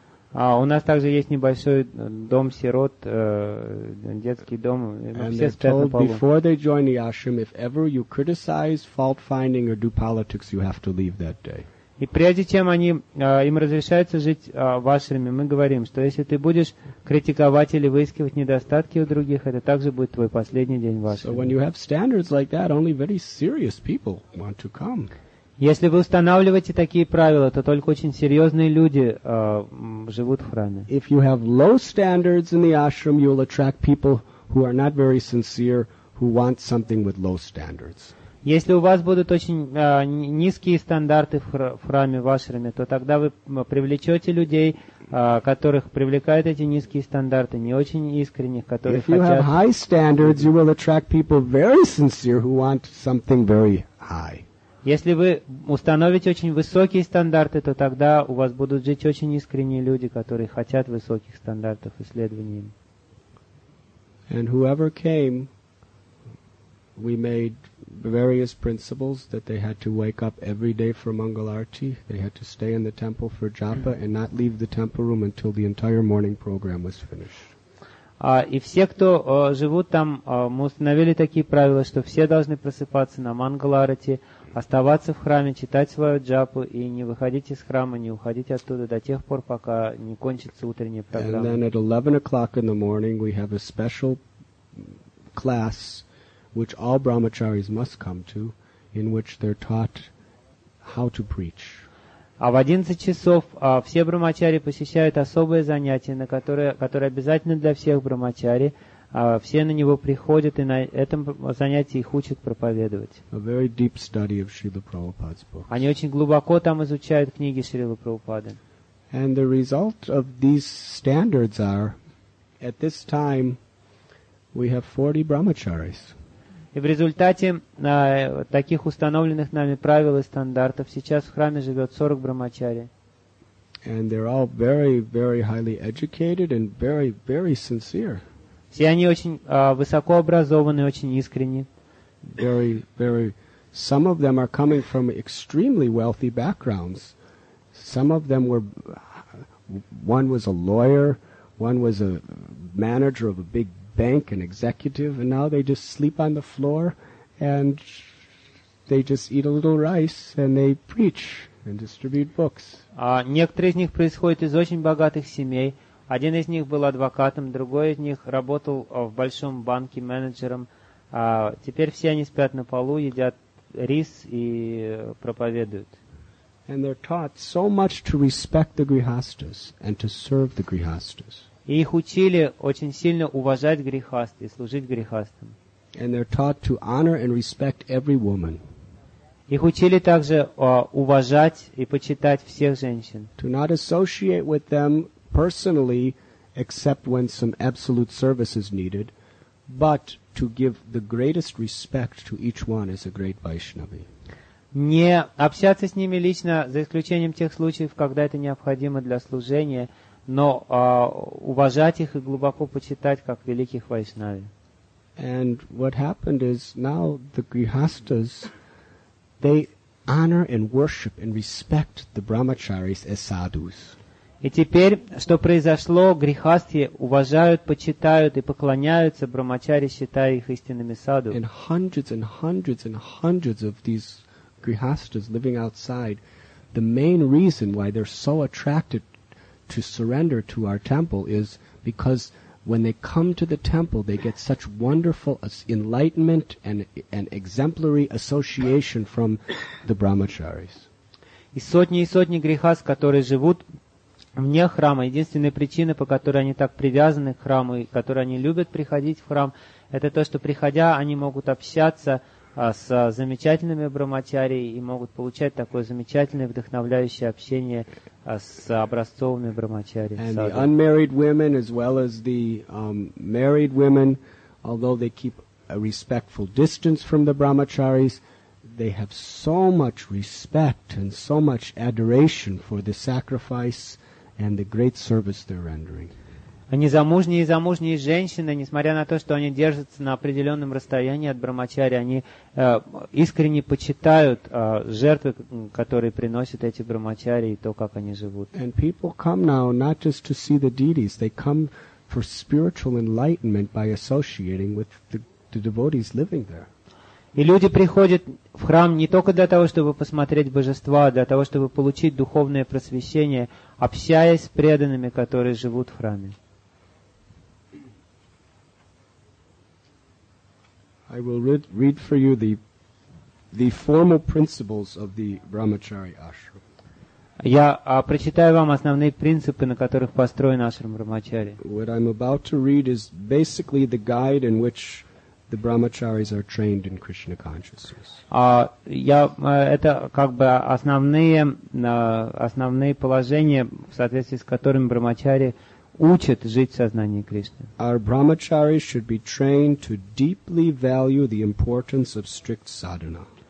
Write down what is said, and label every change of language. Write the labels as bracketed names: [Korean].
[Russian] А у нас также есть небольшой дом сирот, детский дом, все спят на полу. [English] And before they join the ashram, if ever you criticize fault finding or do politics, you have to leave that day. [Russian] И прежде чем они им разрешается жить в ашраме, мы говорим, что если ты будешь критиковать или выискивать недостатки у других, это также будет твой последний день в ашраме. [English] So when you have standards like that, only very serious people want to come. [Russian] Если вы устанавливаете такие правила, то только очень серьезные люди живут в храме. [English] If you have low standards in the ashram, you will attract people who are not very sincere, who want something with low standards. [Russian] Если у вас будут очень низкие стандарты в храме, в ашраме, то тогда вы привлечете людей, которых привлекают эти низкие стандарты, не очень искренних, которые хотят... [English] If you have high standards, you will attract people very sincere, who want something very high. [Russian] Если вы установите очень высокие стандарты, то тогда у вас будут жить очень искренние люди, которые хотят высоких стандартов исследований. [English] And whoever came, we made various principles that they had to wake up every day for Mangal Arati, they had to stay in the temple for Japa and not leave the temple room until the entire morning program was finished. [Russian] И все, кто живут там, мы установили такие правила, что все должны просыпаться на Мангаларати, оставаться в храме, читать свою джапу и не выходить из храма, не уходить оттуда до тех пор, пока не кончится утренняя программа. [English] And then at 11 o'clock in the morning we have a special class, which all brahmacharis must come to, in which they're taught how to preach. [Russian] А в 11 часов все брахмачари посещают особое занятие, которое обязательно для всех брахмачари. Все на него приходят, и на этом занятии их учат проповедовать. [English] A very deep study of Srila Prabhupada's books. [Russian] Они очень глубоко там изучают книги Шрилы Прабхупады. [English] And the result of these standards are, at this time, we have 40 brahmacharis. [Russian] И в результате таких установленных нами правил и стандартов сейчас в храме живет 40 брахмачари. [English] And they're all very, very highly educated and very, very sincere. [Russian] Все они очень высоко образованы, очень искренни. [English] Very, very. Some of them are coming from extremely wealthy backgrounds. Some of them were. One was a lawyer. One was a manager of a big bank, an executive, and now they just sleep on the floor and they just eat a little rice and they preach and distribute books. [Russian] Некоторые из них происходят из очень богатых семей. Один из них был адвокатом, другой из них работал в большом банке менеджером. Теперь все они спят на полу, едят рис и проповедуют. [English] And they're taught so much to respect the grihasthas and to serve the grihasthas. [Russian] И их учили очень сильно уважать грехаст и служить грехастам. [English] And they're taught to honor and respect every woman. [Russian] Их учили также уважать и почитать всех женщин. [English] To not associate with them personally, except when some absolute service is needed, but to give the greatest respect to each one as a great Vaishnavi. [Russian] Не общаться с ними лично, за исключением тех случаев, когда это необходимо для служения, но уважать их и глубоко почитать как великих вайшнави. [English] And what happened is now the grihasthas, they honor and worship and respect the brahmacharis as sadhus. [Russian] И теперь, что произошло, грихасти уважают, почитают и поклоняются брахмачари, считая их истинными саду. [English] And hundreds and hundreds and hundreds of these grihasthas living outside, the main reason why they're so attracted to surrender to our temple is because when they come to the temple, they get such wonderful enlightenment and an exemplary association from the brahmacharis. [Russian] И сотни грехас, которые живут вне храма, единственная причина, по которой они так привязаны к храму и которые они любят приходить в храм, это то, что приходя, они могут общаться с замечательными брахмачари и могут получать такое замечательное вдохновляющее общение с образцовыми брахмачари. [English] And the unmarried women as well as the married women although they keep a respectful distance from the brahmacharis, they have so much respect and so much adoration for the sacrifice and the great service they're rendering. [Russian] Незамужние и замужние женщины, несмотря на то, что они держатся на определенном расстоянии от брахмачари, они искренне почитают жертвы, которые приносят эти брахмачари, и то, как они живут. [English] And people come now not just to see the deities, they come for spiritual enlightenment by associating with the devotees living there. [Russian] И люди приходят в храм не только для того, чтобы посмотреть божества, а для того, чтобы получить духовное просвещение, общаясь с преданными, которые живут в храме. [English] I will read for you the formal principles of the Brahmachari ashram. [Russian] Я прочитаю вам основные принципы, на которых построен ашрам Брахмачари. [English] What I'm about to read is basically the guide in which the Brahmacharis are trained in Krishna consciousness. [Russian] Это как бы основные положения, в соответствии с которыми Брахмачари учат жить в сознании Кришны. [English] Our brahmacharis should be trained to deeply value the importance of strict sadhana.